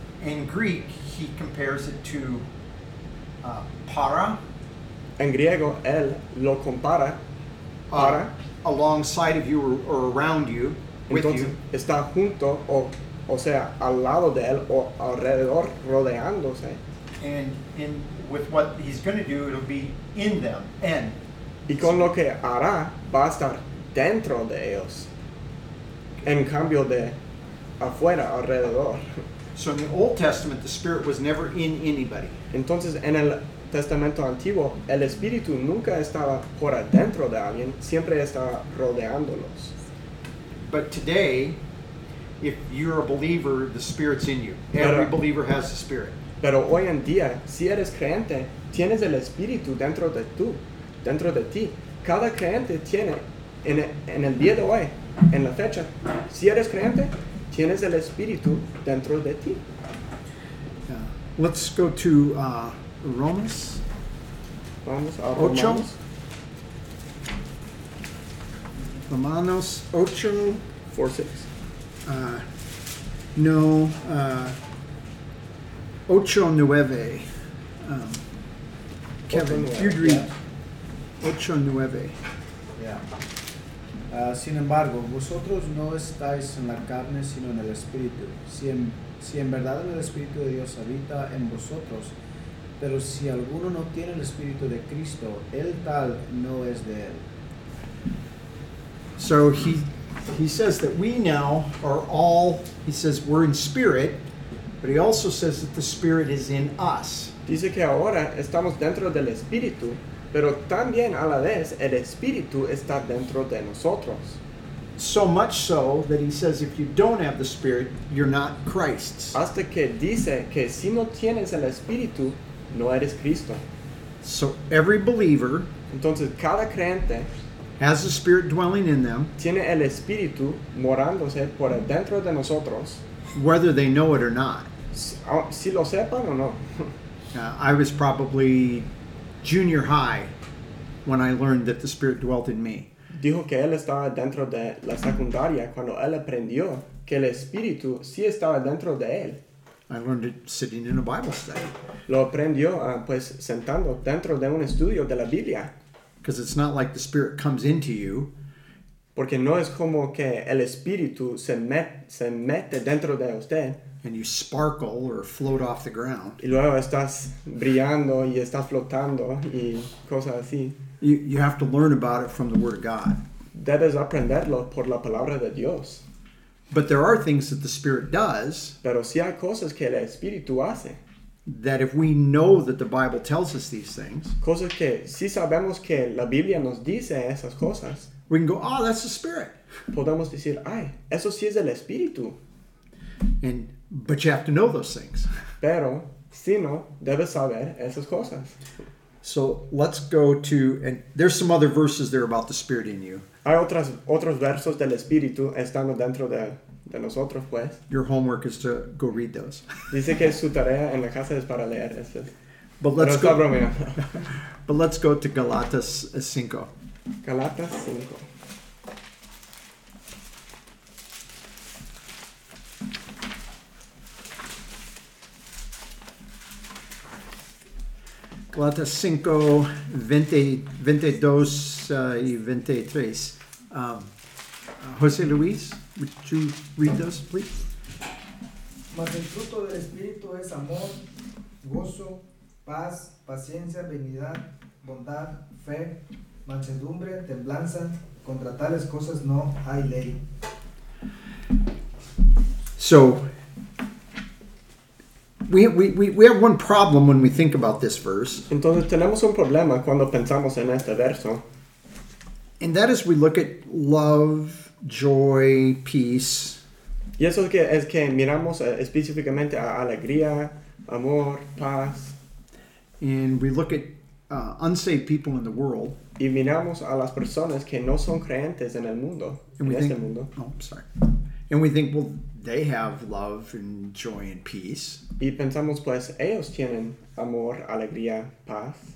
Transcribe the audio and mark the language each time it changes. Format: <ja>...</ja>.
<en>In Greek, he compares it to para.</en> <es>En griego, él lo compara para.</es> <en>Alongside of you or around you, with</en> <es>entonces,</es> <en>you.</en> <es>Está junto, o sea, al lado de él, o alrededor, rodeándose.</es> <en>And in with what he's going to do, it'll be in them, and.</en> <es>Y con lo que hará, va a estar dentro de ellos, en cambio de afuera, alrededor.</es> <en>So in the Old Testament, the Spirit was never in anybody.</en> <es>Entonces, en el Testamento Antiguo, el Espíritu nunca estaba por adentro de alguien, siempre estaba rodeándolos.</es> <en>But today, if you're a believer, the Spirit's in you. Every believer has the Spirit.</en> <es>Pero hoy en día, si eres creyente, tienes el Espíritu dentro de tú. Dentro de ti, cada creyente tiene, en el día de hoy, en la fecha, si eres creyente, tienes el Espíritu dentro de ti.</es> <en>Let's go to Romans.</en> <es>Vamos a ocho. Romanos. Romanos 8.</es> <en>4-6. No, 8-9. Kevin, you read. 8-9. Yeah.</en> <es>Sin embargo, vosotros no estáis en la carne, sino en el Espíritu. Si en verdad el Espíritu de Dios habita en vosotros, pero si alguno no tiene el Espíritu de Cristo, el tal no es de él.</es> <en>So he says that we now are all, he says we're in spirit, but he also says that the Spirit is in us.</en> <es>Dice que ahora estamos dentro del Espíritu, pero también a la vez el Espíritu está dentro de nosotros.</es> <en>So much so that he says if you don't have the Spirit, you're not Christ's.</en> <es>Hasta que dice que si no tienes el Espíritu, no eres Cristo.</es> <en>So every believer,</en> <es>entonces cada creyente,</es> <en>has the Spirit dwelling in them,</en> <es>tiene el Espíritu morándose por dentro de nosotros,</es> <en>whether they know it or not.</en> <es>Si lo sepan o no.</es> <en>I was probably junior high when I learned that the Spirit dwelt in me.</en> <es>Dijo que él estaba dentro de la secundaria cuando él aprendió que el Espíritu sí estaba dentro de él.</es> <en>I learned it sitting in a Bible study.</en> <es>Lo aprendió pues sentando dentro de un estudio de la Biblia.</es> <en>Because it's not like the Spirit comes into you.</en> <es>Porque no es como que el Espíritu se mete dentro de usted.</es> <en>And you sparkle or float off the ground.</en> <es>Y luego estás brillando y estás flotando y cosas así.</es> <en>You have to learn about it from the Word of God.</en> <es>Debes aprenderlo por la palabra de Dios.</es> <en>But there are things that the Spirit does.</en> <es>Pero sí hay cosas que el Espíritu hace.</es> <en>That if we know that the Bible tells us these things.</en> <es>Cosas que sí sabemos que la Biblia nos dice esas cosas.</es> <en>We can go, oh, that's the Spirit.</en> <es>Podemos decir, ay, eso sí es el Espíritu.</es> <en>But you have to know those things.</en> <es>Pero, si no, debes saber esas cosas.</es> <en>So, let's go to, and there's some other verses there about the Spirit in you.</en> <es>Hay otros versos del Espíritu estando dentro de nosotros, pues.</es> <en>Your homework is to go read those.</en> <es>Dice que su tarea en la casa es para leer esos.</es> <en>But let's</en> <es>pero está bromeando.</es> <en>But let's go to Galatas 5. Galatas 5.</en> <es>Galatas 5, 22 y 23.</es> <en>José Luis, would you read those, please?</en> <es>Mas el fruto del Espíritu es amor, gozo, paz, paciencia, benignidad, bondad, fe, mansedumbre, templanza. Contra tales cosas no hay ley.</es> <en>So, We have one problem when we think about this verse.</en> <es>Entonces tenemos un problema cuando pensamos en este verso.</es> <en>And that is we look at love, joy, peace.</en> <es>Y eso es que miramos específicamente a alegría, amor, paz.</es> <en>And we look at unsaved people in the world.</en> <es>Y miramos a las personas que no son creyentes en el mundo, en este mundo.</es> <en>Oh, I'm sorry. And we think, well, they have love and joy and peace.</en> <es>Y pensamos, pues, ellos tienen amor, alegría, paz.</es>